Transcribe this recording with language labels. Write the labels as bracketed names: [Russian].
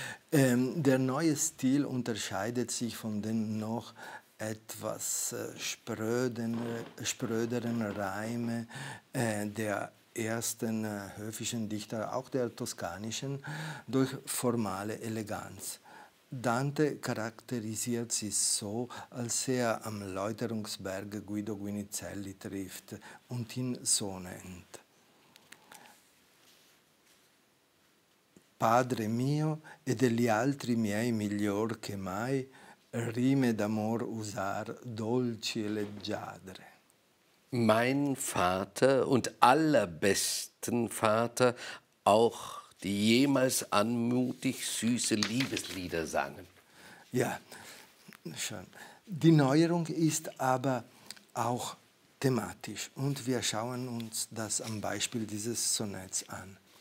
[German] Der neue Stil unterscheidet sich von den noch etwas spröderen Reime der ersten höfischen Dichter, auch der toskanischen, durch formale Eleganz. Dante charakterisiert sich so, als er am Läuterungsberg Guido Guinizelli trifft und ihn so nennt. [Italian] Padre mio e degli altri miei miglior che mai, rime d'amor usar dolci e leggiadre. [German] Mein Vater und allerbesten Vater, auch die jemals anmutig süße Liebeslieder sangen. Ja, schön. Die Neuerung ist aber auch thematisch und wir schauen uns das am Beispiel dieses Sonetts an.